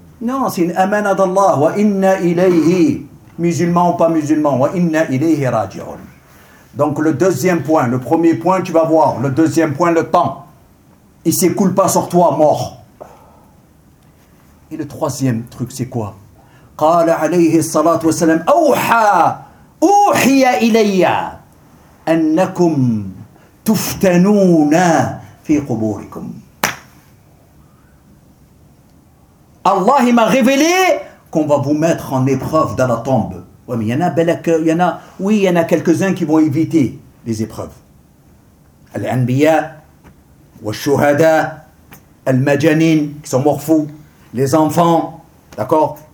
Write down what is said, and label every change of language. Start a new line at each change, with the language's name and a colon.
French: Non, c'est une amana d'Allah.
Arabic: Wa inna ilayhi.
French: Musulman ou pas musulman.
Arabic: Wa inna ilayhi raji'un.
French: Donc le deuxième point, le premier point, tu vas voir. Le deuxième point, le temps. Il ne s'écoule pas sur toi, mort. Et le troisième truc, c'est quoi ?
Arabic: قال عليه الصلاة والسلام أوحى أوحي إلي أنكم تفتنون في قبوركم.
French: الله m'a révélé qu'on va vous mettre en épreuve dans la tombe. Oui, mais il y en a quelques-uns qui vont éviter les épreuves. Al-Anbiya, Al-Shuhada, Al-Majanin, qui sont morts fous, les enfants. D'accord ?